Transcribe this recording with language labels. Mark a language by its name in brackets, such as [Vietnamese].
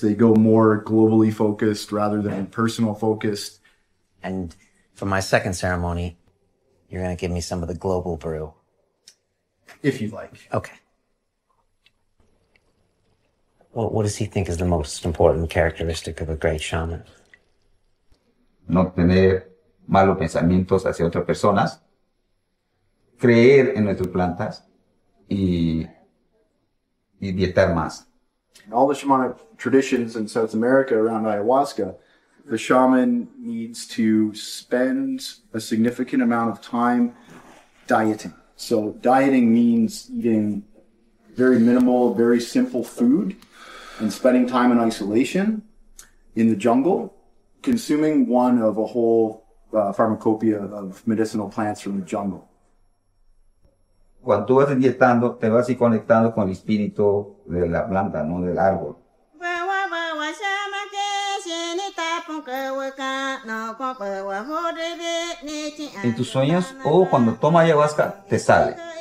[English] They go more globally focused rather than personal focused. And for my second ceremony, you're going to give me some of the global brew. If you'd like. Okay. Well, what does he think is the most important characteristic of a great shaman? [Spanish] No tener malos pensamientos hacia otras personas, creer en nuestras plantas y dietar más. [English] In all the shamanic traditions in South America around ayahuasca, the shaman needs to spend a significant amount of time dieting. So dieting means eating very minimal, very simple food, and spending time in isolation in the jungle, consuming one of a whole pharmacopoeia of medicinal plants from the jungle. [Spanish] Cuando tú vas dietando, te vas conectando con el espíritu de la planta, no del árbol. En tus sueños o cuando tomas ayahuasca, te sale.